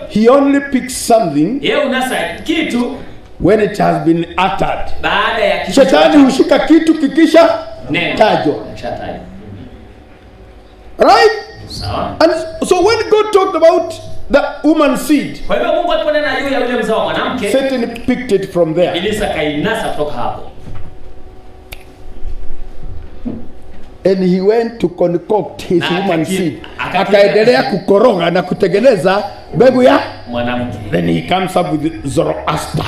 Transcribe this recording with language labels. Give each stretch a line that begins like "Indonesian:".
English: He only picks something.
Swahili: Yeye unasa kitu.
English: When it has been uttered.
Swahili: Baada ya kitu. Shetani hushika kitu kikisha. Neno. Tajo.
English: Right?
Swahili: Sawa.
English: And so when God talked about the woman seed,
Swahili: kwa hivyo Mungu aliponena juu ya yule mzao wa mwanamke,
English: Satan picked it from there.
Swahili: Ibilisi kainasa kutoka hapo.
English: And he went to concoct his woman seed.
Swahili: Akaendelea kukoroga na kutengeneza mbegu ya mwanamke.
English: Then he comes up with Zoroaster.